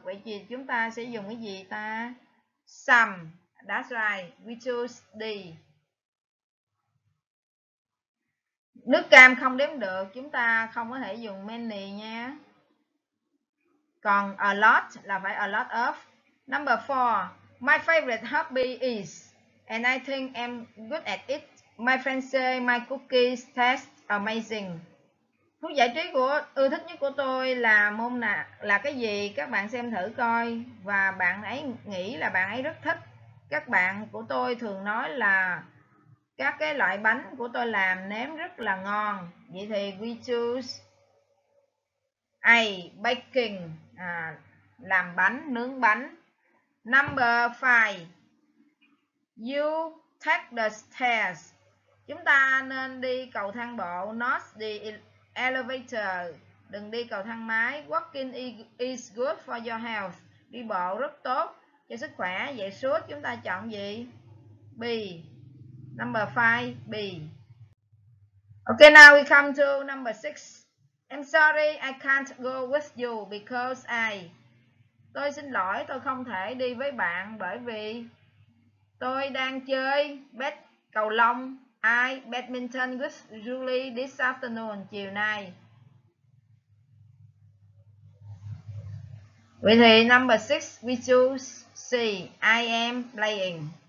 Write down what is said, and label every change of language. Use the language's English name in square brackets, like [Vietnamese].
[Vietnamese] Vậy thì chúng ta sẽ dùng cái gì ta? Some. [English] That's right. We choose D. [Vietnamese] Nước cam không đếm được, chúng ta không có thể dùng many nha. Còn a lot là phải a lot of. [English] Number 4. My favorite hobby is, and I think I'm good at it. My friends say my cookies taste amazing. [Vietnamese] Thú giải trí của ưa thích nhất của tôi là môn nào là cái gì? Các bạn xem thử coi. Và bạn ấy nghĩ là bạn ấy rất thích. Các bạn của tôi thường nói là các cái loại bánh của tôi làm nếm rất là ngon. Vậy thì [English] we choose A, baking, [Vietnamese] làm bánh, nướng bánh. [English] Number 5. You take the stairs. [Vietnamese] Chúng ta nên đi cầu thang bộ, [English] not the elevator. [Vietnamese] Đừng đi cầu thang máy. [English] Walking is good for your health. [Vietnamese] Đi bộ rất tốt cho sức khỏe. Vậy suốt chúng ta chọn gì? [English] B. Number 5, B. Okay, now we come to number 6. I'm sorry, I can't go with you because I. [Vietnamese] Tôi xin lỗi, tôi không thể đi với bạn bởi vì tôi đang chơi cầu lông. [English] I badminton with Julie this afternoon, [Vietnamese] chiều nay. Vậy thì [English] number 6, we choose C. I am playing.